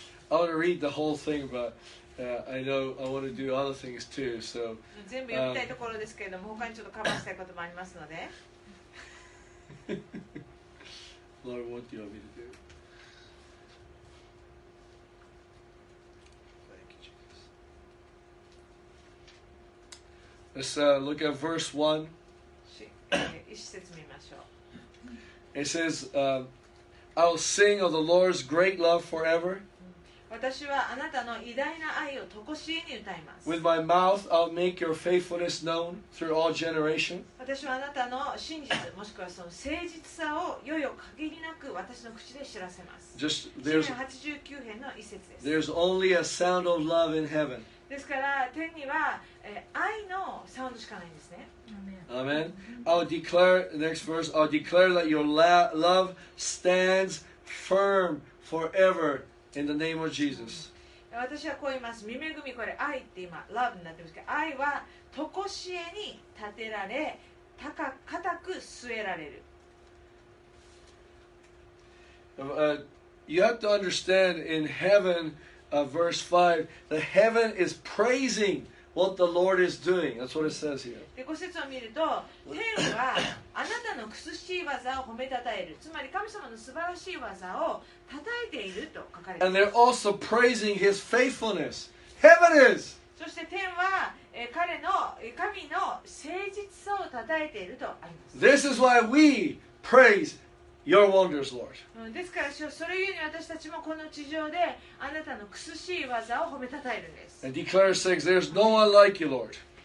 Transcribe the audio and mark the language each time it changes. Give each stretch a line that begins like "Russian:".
English: I want to read the whole thing, but I know I want to do other things too. So.
Japanese: 全部読みたいところですけれども、他にちょっとカバーしたいこともありますので。
English: Lord, what do you want me to do? Thank you, Jesus. Let's look at verse 1.
Japanese: 一節見ましょう。
English: It says. I will sing of the Lord's great love forever.
Japanese: 私はあなたの偉大な愛をとこしえに歌います。
English: With my mouth, I'll make your faithfulness known through all generations.
Japanese: 私はあなたの真実もしくはその誠実さをよよ限りなく私の口で知らせます。
English: Just there's
Japanese: 89編の一節です。
English: There's only a sound of love in heaven.
Japanese: ですから天には愛のサウンドしかないんですね。
English: Amen. I'll declare, next verse, I'll declare that your love stands firm forever in the name of Jesus.
Japanese: 私はこう言います。御恵み、これ愛って今、love になってますけど、愛はとこしえに立てられ、固く据えられる。
English: You have to understand in heaven, verse 5, the heaven is praising God. What the Lord is doing. That's what it says here.
Japanese: で、ご説を見ると、天はあなたの美しい技を褒めたたえる。つまり神様の素晴らしい技をたたえていると書かれています。
English: And they're also praising his faithfulness. Heaven is!
Japanese: そして天は彼の神の誠実さをたたえているとあります。
English: This is why we praise your wonders, Lord.
Japanese: ですから、それゆえに私たちもこの地上であなたの美しい技を褒めたたえるんです。
English: And declare six, there's no one like you, Lord.